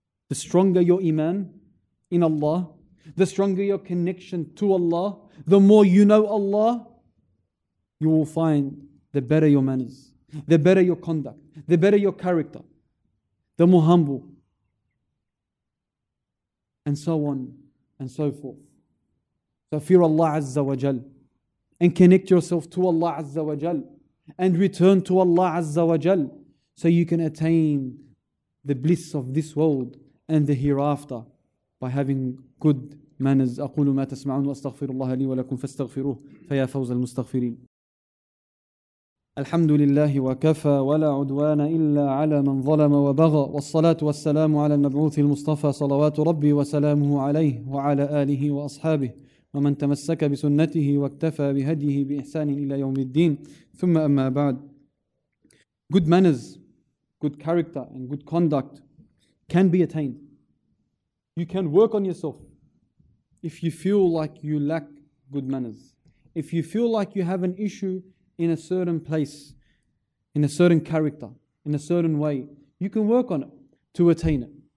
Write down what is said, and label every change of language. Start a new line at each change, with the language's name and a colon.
English: The stronger your iman in Allah, the stronger your connection to Allah, the more you know Allah, you will find the better your manners, the better your conduct, the better your character, the more humble, and so on and so forth. So fear Allah Azza wa Jal and connect yourself to Allah Azza wa Jal and return to Allah Azza wa Jal so you can attain the bliss of this world and the hereafter by having good manners.
Arabic: أقول ما تسمعون وأستغفر الله لي ولكم فاستغفروه فيا فوز المستغفرين. الحمد لله وكفى ولا عدوان إلا على من ظلم وبغى والصلاة والسلام على المبعوث المصطفى صلوات ربي وسلامه عليه وعلى آله وأصحابه ومن تمسك بسنته واكتفى بهديه بإحسان إلى يوم الدين ثم أما بعد.
English: Good manners, good character and good conduct can be attained. You can work on yourself if you feel like you lack good manners. If you feel like you have an issue in a certain place, in a certain character, in a certain way, you can work on it to attain it.